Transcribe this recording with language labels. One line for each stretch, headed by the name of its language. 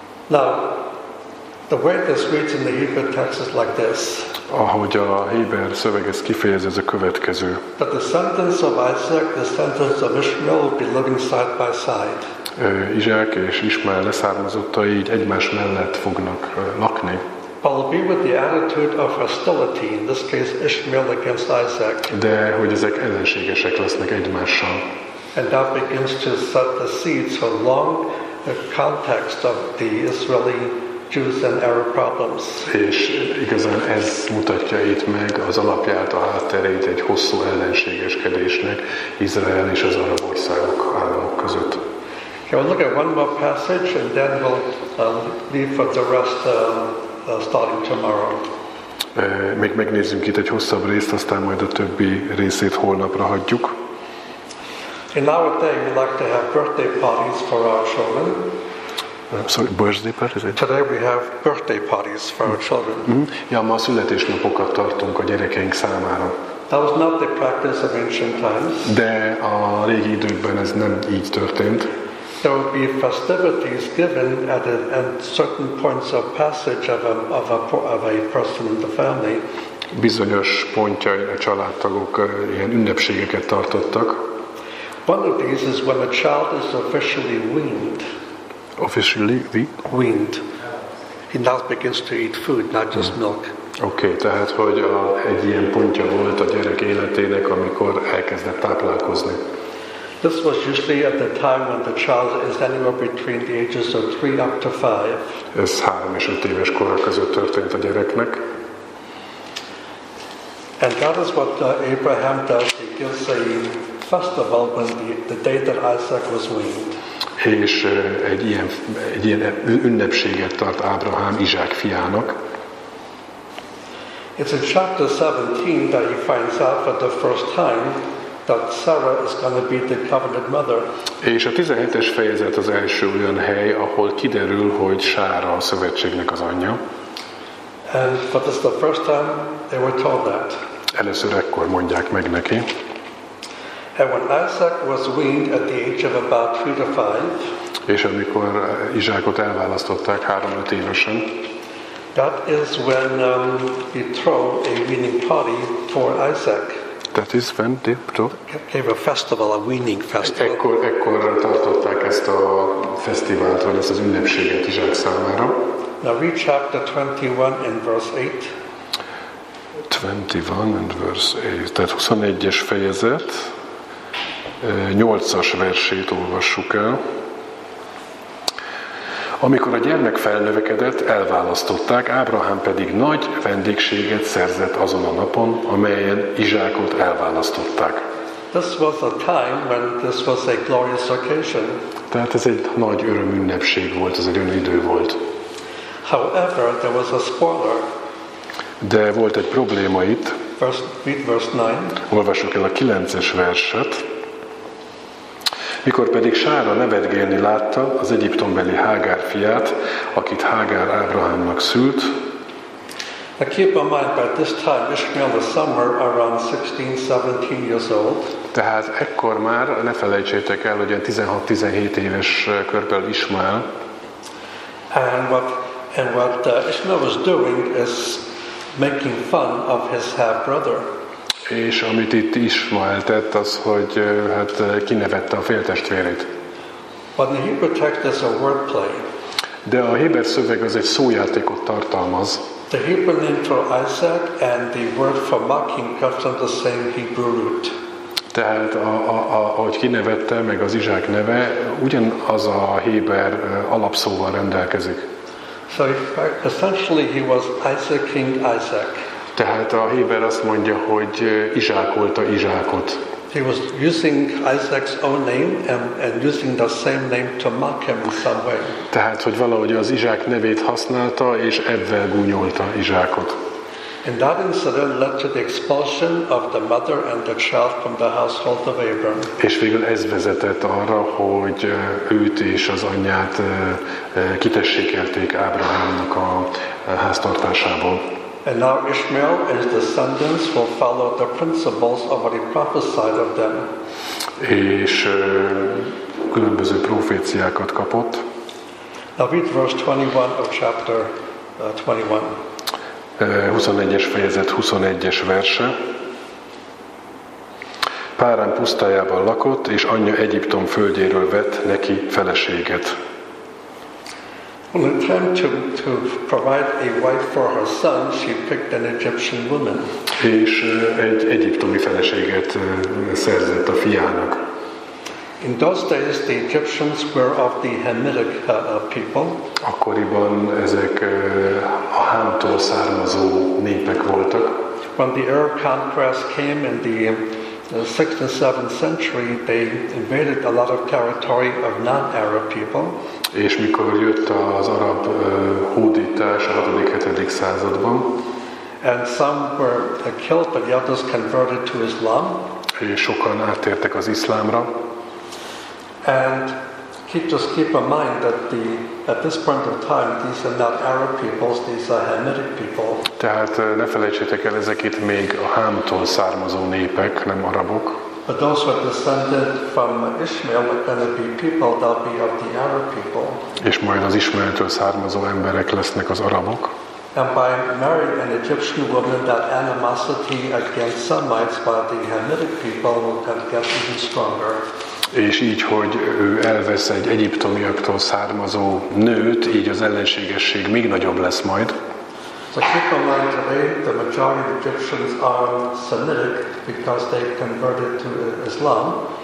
English: Now, the way this reads in the Hebrew text is like this.
Hungarian: Ahogy a héber szöveg ezt kifejezi, ez a következő.
English: But the descendants of Isaac, the descendants of Ishmael will be living side by side.
Hungarian: Izsák és Ismael leszármazottai így egymás mellett fognak lakni.
English: But be with the attitude of hostility, in this case Ishmael against Isaac.
Hungarian: De hogy ezek ellenségesek lesznek egymással.
English: And that begins to set the seeds for long context of the Israeli Jews and Arab problems.
Hungarian: És igazán ez mutatja itt meg az alapját, a hátterét egy hosszú ellenségeskedésnek Izrael és az arab országok államok között.
English: Okay, we'll look at one more passage and then we'll leave for the rest starting tomorrow.
Hungarian: Még megnézzünk itt egy hosszabb részt, aztán majd a többi részét holnapra hagyjuk.
English: In our day we like to have birthday parties for our children. Sorry, birthday parties? Today we have birthday parties for our children. Mm-hmm.
Hungarian: Ja, ma a születésnapokat tartunk a gyerekeink számára.
English: That was not the practice of ancient times.
Hungarian: De a régi időkben ez nem így történt.
English: There would be festivities given at certain points of passage of a person in the family.
Hungarian: Bizonyos pontjai a családtagok ilyen ünnepségeket tartottak.
English: One of these is when a child is officially weaned. Officially weaned. He now begins to eat food, not just milk.
Hungarian: Okay, tehát hogy egy ilyen pontja volt a gyerek életének, amikor elkezdett táplálkozni.
English: This was usually at the time when the child is anywhere between the ages of 3 up to 5.
Hungarian: Ez 3 és 5 éves korra között történt a gyereknek.
English: And that is what Abraham does. He gives a festival when the day that Isaac was weaned.
Hungarian: És egy ilyen ünnepséget tart Ábrahám Izsák fiának.
English: It's in chapter 17 that he finds out for the first time that Sarah is going to be the covenant mother.
Hungarian: És a 17-es fejezet az első olyan hely, ahol kiderül, hogy Sára a szövetségnek az anyja.
English: And for this the first time they were told that.
Hungarian: Először ekkor mondják meg neki.
English: And when Isaac was weaned at the age of about 3 to 5,
Hungarian: és amikor Izsákot elválasztották 3-5 évesen,
English: that is when he threw a weaning party for Isaac. That is when they gave a festival, a weaning festival.
Hungarian: Ekkor tartották ezt a fesztivált, vagy ezt az ünnepséget Izsák számára.
English: Now read chapter 21 in verse 8. 21 and verse 8.
Hungarian: Tehát 21-es fejezet, 8-as versét olvassuk el. Amikor a gyermek felnövekedett, elválasztották, Ábrahám pedig nagy vendégséget szerzett azon a napon, amelyen Izsákot elválasztották.
English: This was a time when this was a glorious occasion.
Hungarian: Tehát ez egy nagy örömünnepség volt, ez egy olyan idő volt.
English: However, there was a spoiler.
Hungarian: De volt egy probléma itt.
English: Verse 9.
Hungarian: Olvassuk el a 9-es verset. Mikor pedig Sára nevetgélni látta az egyiptombeli Hágár fiát, akit Hágár Ábrahámnak szült.
English: Now keep in mind, by this time Ishmael was somewhere around 16-17 years old.
Hungarian: Tehát ekkor már, ne felejtsétek el, hogy 16-17 éves körben Ishmael.
English: And what Ishmael was doing is making fun of his half brother.
Hungarian: És amit itt Ishmael tett, az, hogy hát kinevette a féltestvérét.
English: But the Hebrew text is a wordplay.
Hungarian: De a héber szöveg az egy szójátékot tartalmaz.
English: The Hebrew name for Isaac and the word for mocking comes from the same Hebrew root.
Hungarian: Tehát ahogy kinevette, meg az Izsák neve, ugyanaz a héber alapszóval rendelkezik.
English: So essentially he was Isaac King Isaac.
Hungarian: Tehát a héber azt mondja, hogy Izsákolta Izsákot.
English: He was using Isaac's own name and using the same name to mock him in some way.
Hungarian: Tehát, hogy valahogy az Izsák nevét használta és ebben gúnyolta Izsákot.
English: And that incident led to the expulsion of the mother and the child from the household of Abram.
Hungarian: És végül ez vezetett arra, hogy őt és az anyját kitessékelték Ábrahámnak a háztartásából.
English: And now Ishmael and his descendants will follow the principles of what he prophesied of them.
Hungarian: És különböző proféciákat kapott.
English: Now read verse 21 of chapter 21.
Hungarian: 21-es fejezet, 21-es verse. Párán pusztájában lakott, és anyja Egyiptom földjéről vett neki feleséget.
English: When it came to provide a wife for her son, she picked an Egyptian woman.
Hungarian: És egy egyiptomi feleséget szerzett a fiának.
English: In those days, the Egyptians were of the Hamitic people.
Hungarian: Akkoriban ezek a Hámtól származó népek voltak.
English: When the Arab conquest came in the 6th and 7th century, they invaded a lot of territory of non-Arab people.
Hungarian: És mikor jött az arab hódítás a 6.-7. században.
English: And some were killed, but the others converted to Islam.
Hungarian: És sokan átértek az iszlámra.
English: And keep in mind that at this point of time, these are not Arab peoples, these are Hamitic people.
Hungarian: Tehát ne felejtsétek el, ezek itt még a Hámtól származó népek, nem arabok.
English: But those who are descended from Ishmael are going to be people that will be of the Arab people.
Hungarian: És majd az Ismaeltől származó emberek lesznek az arabok.
English: And by marrying an Egyptian woman, that animosity against Semites by the Hamitic people will get even stronger.
Hungarian: És így, hogy ő elvesz egy egyiptomiaktól származó nőt, így az ellenségesség még nagyobb lesz majd.
English: So keep in mind today, the majority of Egyptians are Semitic because they converted to Islam.